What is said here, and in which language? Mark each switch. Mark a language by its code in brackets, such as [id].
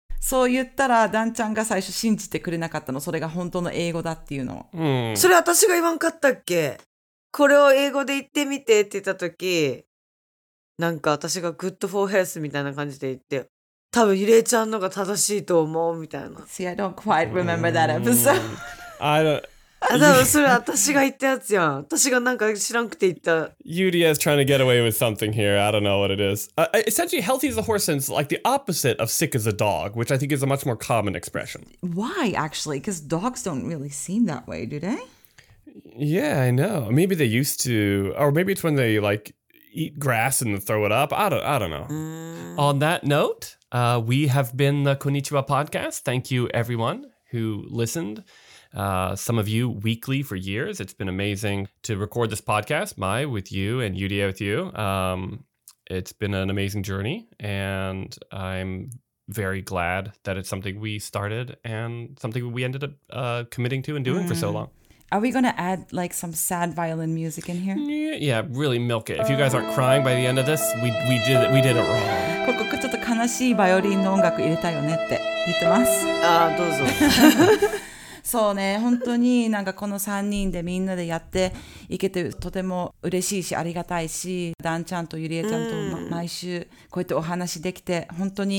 [ja] そう言ったらダンちゃんが最初信じてくれなかったの、それが本当の英語だっていうの、それ私が言わんかったっけ、これを英語で言ってみてって言った時、なんか私が [en] good for health [ja] みたいな感じで言って、多分ゆれちゃんのが正しいと思うみたいな。 [en] See, I don't quite remember that episode. I don'tUDS trying to get away with something here. I don't know what it is. Essentially, healthy as a horse is like the opposite of sick as a dog, which I think is a much more common expression. Why, actually? Because dogs don't really seem that way, do they? Yeah, I know. Maybe they used to. Or maybe it's when they like eat grass and throw it up. I don't know. On that note, we have been the Konnichiwa Podcast. Thank you, everyone who listened. Some of you weekly for years. It's been amazing to record this podcast, Mai, with you and Yudia with you. It's been an amazing journey, and I'm very glad that it's something we started and something we ended up committing to and doing for so long. Are we going to add like some sad violin music in here? Yeah, really milk it. If you guys aren't crying by the end of this, we did it wrong. [ja] ここちょっと悲しいバイオリンの音楽入れたよねって言ってます。ああ、どうぞ。そうね、本当になんかこの3人でみんなでやっていけてとても嬉しいしありがたいし、ダンちゃんとユリエちゃんと毎週こうやってお話できて本当に